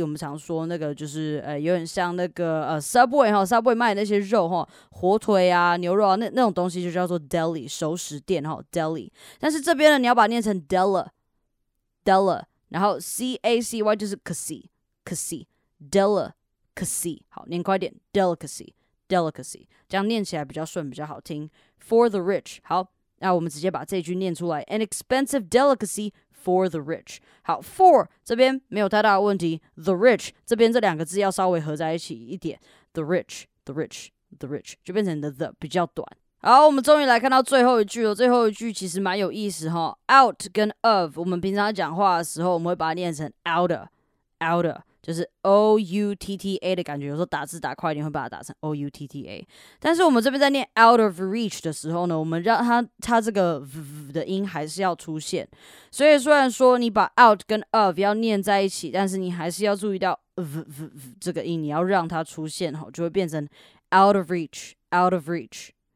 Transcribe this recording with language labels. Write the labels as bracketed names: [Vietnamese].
[Chinese] 我们常说那个就是有点像那个 subway 哈 ，subway 卖的那些肉哈，火腿啊、牛肉啊那种东西就叫做 deli， 熟食店哈 deli。但是这边呢，你要把它念成 della， 然后 c a c y 就是 cacy delicacy， 好，念快点 delicacy delicacy， 这样念起来比较顺，比较好听。 [English] For the rich， [Chinese] 好。那我们直接把这句念出来 [English] An expensive delicacy for the rich [Chinese] 好 for 这边没有太大的问题 [English] The rich [Chinese] 这边这两个字要稍微合在一起一点 [English] the rich, the rich, the rich, [Chinese] 就变成 [English] the [Chinese] 比较短。好，我们终于来看到最后一句了。最后一句其实蛮有意思哈。 Out 跟 of， 我们平常讲话的时候，我们会把它念成 outer， outer， 就是 O U T T A 的感觉。有时候打字打快一点，会把它打成 O U T T A。但是我们这边在念 out of reach 的时候呢，我们让它这个 v 的音还是要出现。所以虽然说你把 out 跟 of 要念在一起，但是你还是要注意到 v v v 这个音，你要让它出现哈，就会变成 [English] out of reach， out of reach。